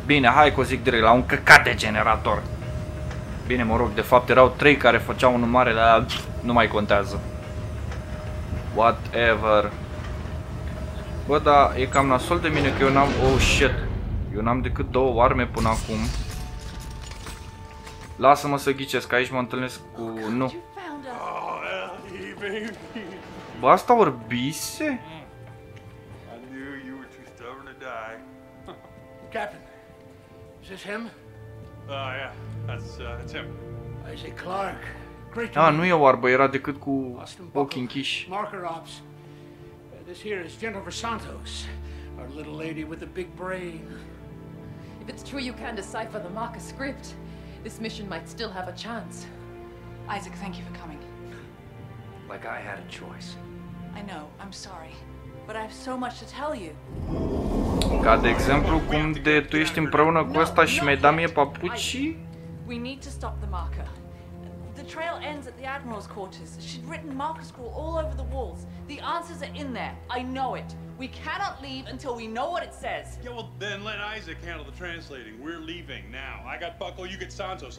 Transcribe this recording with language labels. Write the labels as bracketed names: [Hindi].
[Romanian] Bine, hai că o zic direct, la un căcat de generator. Bine, mă rog, de fapt erau trei care făceau un mare, dar nu mai contează. [English] Whatever. [Romanian] Bă, da, e cam nasol de mine că eu n-am... [English] Oh, shit. [Romanian] Eu n-am decât două arme până acum. Lasă-mă să ghicesc, aici mă întâlnesc cu... Nu. Bă, asta orbise? [English] I knew you were too stubborn to die. Captain, is this him? Yeah, that's him. Isaac Clark. Great. [Romanian] Ah, nu e oarbă, era decât cu ochii închiși. [English] Marker ops. This here is Jennifer Santos, our little lady with the big brain. If it's true you can decipher the marker script, this mission might still have a chance. Isaac, thank you for coming. Like I had a choice. I know, I'm sorry, but I have so much to tell you. [Romanian] Ca de exemplu, cum de tu ești împreună cu ăsta și mi-ai dat mie papucii? [English] We need to stop the marker. The trail ends at the Admiral's quarters. She'd written marker scroll all over the walls. The answers are in there. I know it. We cannot leave until we know what it says. Yeah, well, then let Isaac handle the translating. We're leaving now. I got Buckle, you get Santos.